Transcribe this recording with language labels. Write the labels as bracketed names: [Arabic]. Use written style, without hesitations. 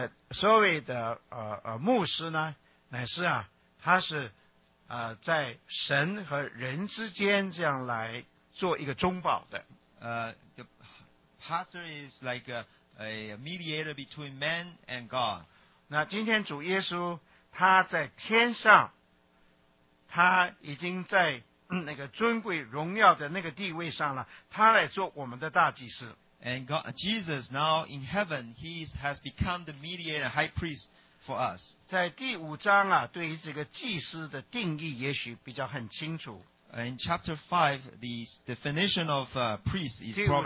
[Chinese] 所谓的牧师呢，乃是啊，他是在神和人之间这样来做一个中保的。 [English] The pastor is like a mediator between man and God. [Chinese] 那今天主耶稣他在天上，他已经在那个尊贵荣耀的那个地位上了，他来做我们的大祭司。 [English] And God, Jesus now in heaven, he has become the mediator high priest for us. [Chinese] 在第五章啊，对于这个祭司的定义也许比较很清楚。 [English] In chapter 5, the definition of priest is probably more clear.